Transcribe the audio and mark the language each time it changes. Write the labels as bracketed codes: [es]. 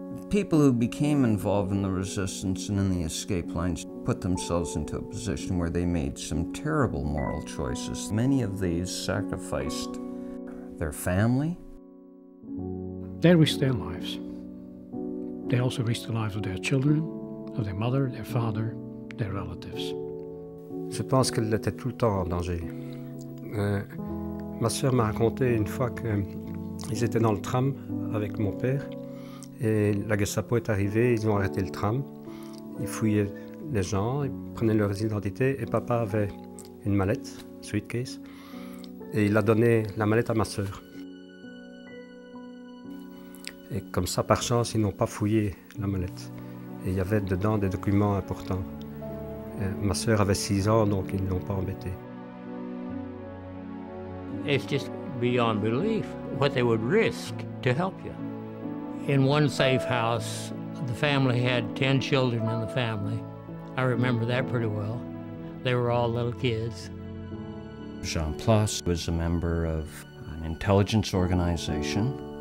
[en] People who became involved in the resistance and in the escape lines put themselves into a position where they made some terrible moral choices. Many of these sacrificed their family. They risked their lives. They also risked the lives of their children, of their mother, their father, their relatives. [fr] Je pense qu'elle était tout le temps en danger. Ma sœur m'a raconté une fois qu'ils étaient dans le tram avec mon père. Et la Gestapo est arrivée, ils ont arrêté le tram, ils fouillaient les gens, ils prenaient leurs identités et papa avait une mallette, suitcase, et il a donné la mallette à ma sœur. Et comme ça, par chance, ils n'ont pas fouillé la mallette. Et il y avait dedans des documents importants. Et ma sœur avait 6 ans, donc ils ne l'ont pas embêtée. [en] It's just beyond belief what they would risk to help you. In one safe house, the family had 10 children in the family. I remember that pretty well. They were all little kids. Jean Plas was a member of an intelligence organization.